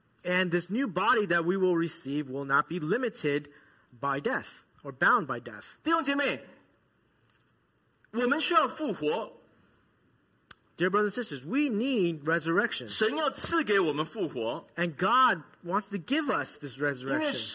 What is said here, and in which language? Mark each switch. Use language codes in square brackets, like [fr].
[en] And this new body that we will receive will not be limited by death or bound by death. [zh] 弟兄姐妹, 我们需要复活。 [en] Dear brothers and sisters, we need resurrection. [zh] 神要赐给我们复活, [en] and God wants to give us this resurrection.